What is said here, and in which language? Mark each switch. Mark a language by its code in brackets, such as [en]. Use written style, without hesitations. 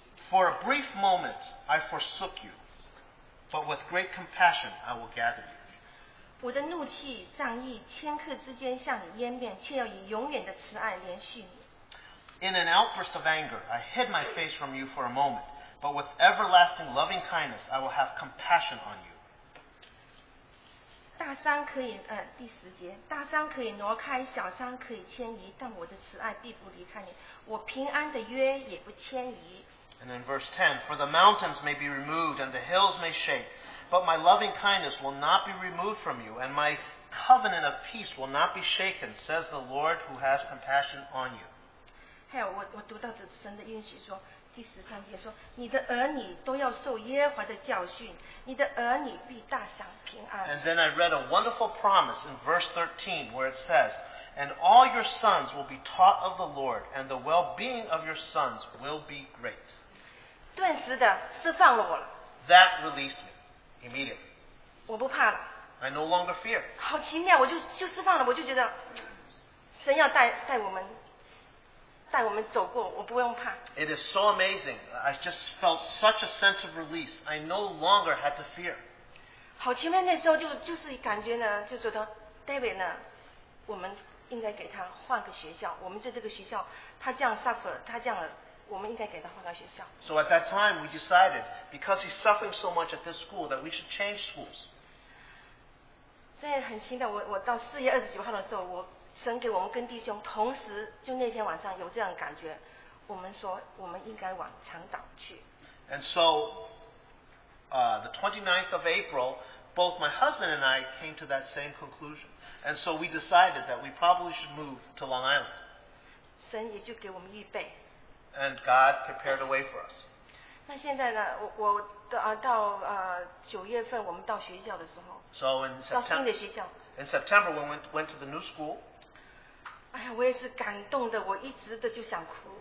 [en] For a brief moment, I forsook you, but with great compassion, I will gather you. [zh] 我的怒气仗义顷刻之间向你湮灭，却要以永远的慈爱连续你。 [en] In an outburst of anger, I hid my face from you for a moment, but with everlasting loving kindness, I will have compassion on you. [zh] 大山可以，第十节，大山可以挪开，小山可以迁移，但我的慈爱必不离开你，我平安的约也不迁移。 [en] And in verse 10, for the mountains may be removed and the hills may shake, but my loving kindness will not be removed from you, and my covenant of peace will not be shaken, says the Lord who has compassion on you. [zh] 还有我读到这神的应许说，第十三节说，你的儿女都要受耶和华的教训，你的儿女必大享平安。 [en] And then I read a wonderful promise in verse 13 where it says, and all your sons will be taught of the Lord, and the well-being of your sons will be great. [zh] 顿时的释放了我了。 [en] That released me immediately. [zh] 我不怕了。 [en] I no longer fear. [zh] 好奇妙，我就释放了，我就觉得神要带我们走过，我不用怕。 [en] It is so amazing. I just felt such a sense of release. I no longer had to fear. [zh] 好奇妙，那时候就是感觉呢，就觉得 David 呢，我们应该给他换个学校。我们在这个学校，他这样 suffer， 他这样，我们应该给他换个学校。 [en] So at that time we decided because he's suffering so much at this school that we should change schools. [zh] 所以很奇妙，我到四月二十九号的时候，我神给我们跟弟兄同时就那天晚上有这样感觉，我们说我们应该往长岛去。 [en] And so, the 29th of April. Both my husband and I came to that same conclusion. And so we decided that we probably should move to Long Island. [zh] 神也就给我们预备。 [en] And God prepared a way for us. [zh] 那现在呢，我到九月份我们到学校的时候。 [en] So in September. [zh] 到新的学校。 [en] In September, when we went to the new school. [zh] 哎呀，我也是感动的，我一直的就想哭。